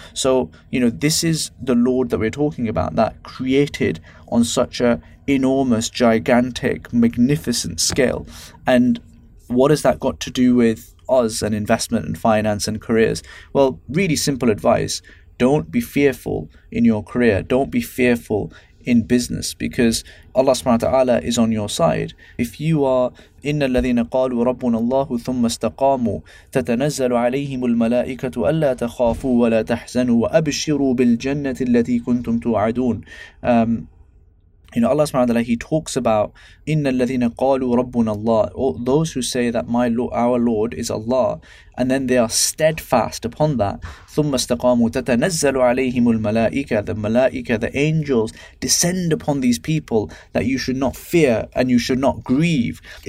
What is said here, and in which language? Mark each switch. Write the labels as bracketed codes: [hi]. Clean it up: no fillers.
[en] So, you know, this is the Lord that we're talking about, that created on such a enormous, gigantic, magnificent scale. And what has that got to do with us and investment and finance and careers? Well, really simple advice. Don't be fearful in your career. Don't be fearful in business, because Allah subhanahu wa ta'ala is on your side. If you are [ar] إن الذين قالوا ربنا الله ثم استقاموا تتنزل عليهم الملائكة ألا تخافوا ولا تحزنوا وأبشروا بالجنة التي كنتم توعدون. [en] You know, Allah subhanahu wa ta'ala, he talks about [ar] إِنَّ الَّذِينَ قَالُوا رَبُّنَ اللَّهِ, [en] those who say that our Lord is Allah, And then they are steadfast upon that. [ar] ثُمَّ اسْتَقَامُوا تَتَنَزَّلُ عَلَيْهِمُ الْمَلَائِكَةُ [en] The malaika, the angels, descend upon these people that you should not fear and you should not grieve.